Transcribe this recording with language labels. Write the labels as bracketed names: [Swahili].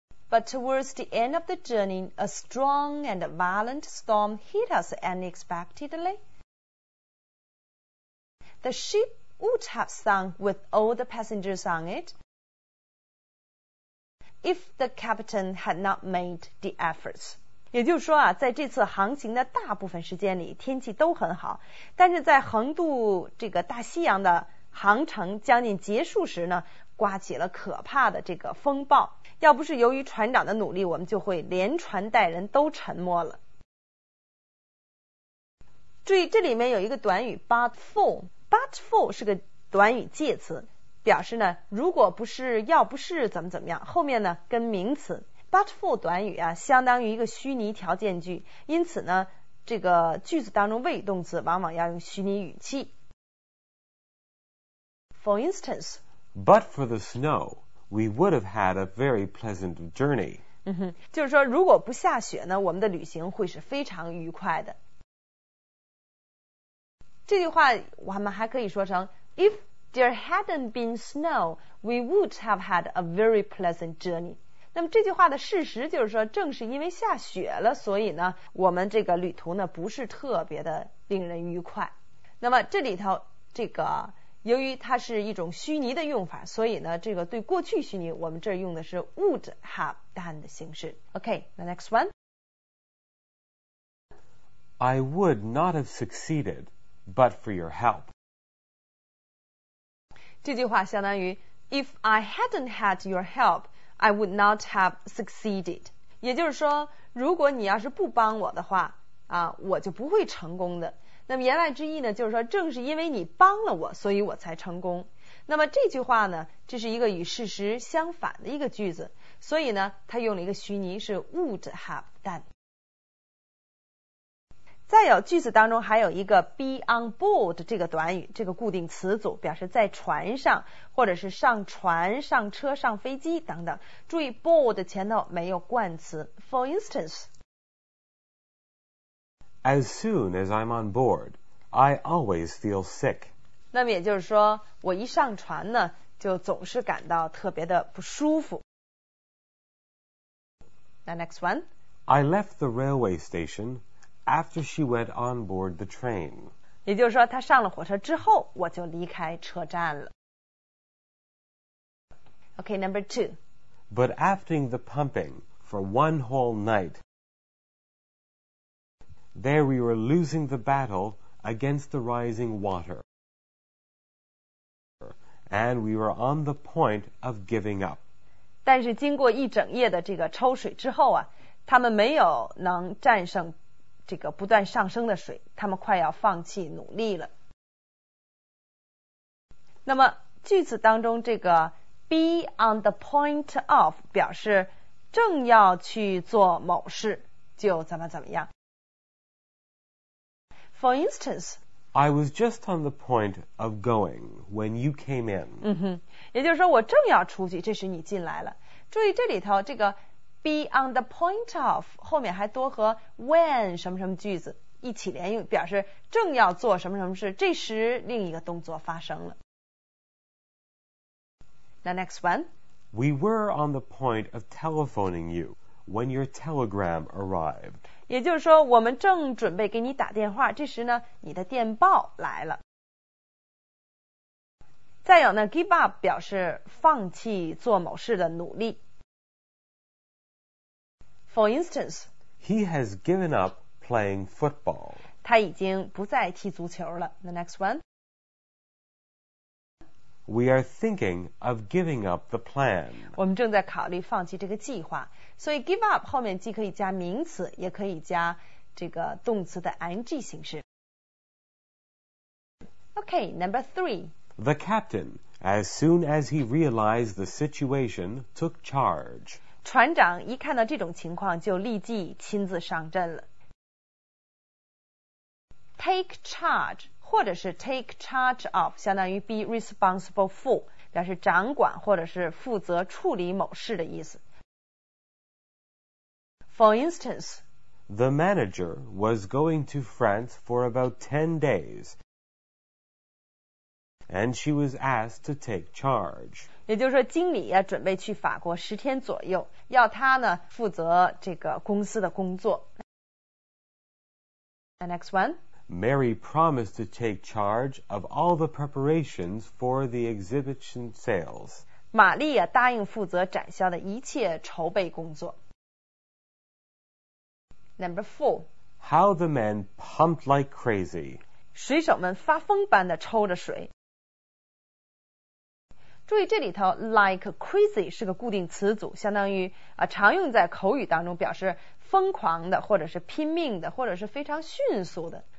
[English] But towards the end of the journey, a strong and violent storm hit us unexpectedly. The ship would have sunk with all the passengers on it if the captain had not made the efforts. [Chinese] 也就是说啊，在这次航行的大部分时间里，天气都很好，但是在横渡这个大西洋的航程将近结束时呢，刮起了可怕的这个风暴。要不是由于船长的努力，我们就会连船带人都沉没了。注意，这里面有一个短语 but for。But for 是个短语介词，表示呢，如果不是，要不是怎么怎么样，后面呢跟名词。 But for 短语啊，相当于一个虚拟条件句，因此呢，这个句子当中谓语动词往往要用虚拟语气。 [English] For instance, but for the snow, we would have had a very pleasant journey. [Chinese] 就是说，如果不下雪呢，我们的旅行会是非常愉快的。这句话我们还可以说成 [English] If there hadn't been snow, we would have had a very pleasant journey. [Chinese] 那么这句话的事实就是说，正是因为下雪了，所以呢，我们这个旅途呢不是特别的令人愉快。那么这里头这个由于它是一种虚拟的用法，所以呢，这个对过去虚拟我们这儿用的是 would have done 的形式。 [English] Okay, the next one. I would not have succeeded. But for your help. [Chinese] 这句话相当于 [English] If I hadn't had your help, I would not have succeeded. [Chinese] 也就是说，如果你要是不帮我的话，啊，我就不会成功的。那么言外之意呢，就是说正是因为你帮了我，所以我才成功。那么这句话呢，这是一个与事实相反的一个句子，所以呢，它用了一个虚拟是 would have done. 再有句子当中还有一个 be on board 这个短语，这个固定词组表示在船上，或者是上船、上车、上飞机等等。注意 board 前头没有冠词。 [English] For instance, As soon as I'm on board, I always feel sick. [Chinese] 那么也就是说，我一上船呢，就总是感到特别的不舒服。 [English] The next one, I left the railway station. After she went on board the train. [Chinese] 也就是说她上了火车之后我就离开车站了。 [English] Okay, number two. But after the pumping for one whole night, there we were losing the battle against the rising water. And we were on the point of giving up. [Chinese] 但是经过一整夜的这个抽水之后啊，他们没有能战胜这个不断上升的水，他们快要放弃努力了。那么句子当中这个 be on the point of 表示正要去做某事就怎么怎么样。 [English] For instance, I was just on the point of going when you came in. [Chinese] 也就是说我正要出去，这时你进来了。注意这里头这个Be on the point of 后面还多和 when 什么什么句子一起连用，表示正要做什么什么事，这时另一个动作发生了。 [English] The next one, We were on the point of telephoning you when your telegram arrived. [Chinese] 也就是说我们正准备给你打电话，这时呢你的电报来了。再有呢 give up 表示放弃做某事的努力。 [English] For instance, He has given up playing football. [Chinese] 他已经不再踢足球了。 [English] The next one. We are thinking of giving up the plan. [Chinese] 我们正在考虑放弃这个计划。所以 give up 后面既可以加名词，也可以加这个动词的 ing 形式。 [English] Okay, number three. The captain, as soon as he realized the situation, took charge. [Chinese] 船长一看到这种情况就立即亲自上阵了。 Take charge 或者是 take charge of 相当于 be responsible for 表示掌管或者是负责处理某事的意思。 [English] For instance, The manager was going to France for about 10 days and she was asked to take charge. [Chinese] 也就是说，经理要准备去法国十天左右，要他呢负责这个公司的工作。 [English] The next one. Mary promised to take charge of all the preparations for the exhibition sales. [Chinese] 玛丽啊，答应负责展销的一切筹备工作。 [English] Number four. How the men pumped like crazy. [Chinese] 水手们发疯般的抽着水。注意这里头 like crazy 是个固定词组，相当于啊常用在口语当中表示疯狂的，或者是拼命的，或者是非常迅速的。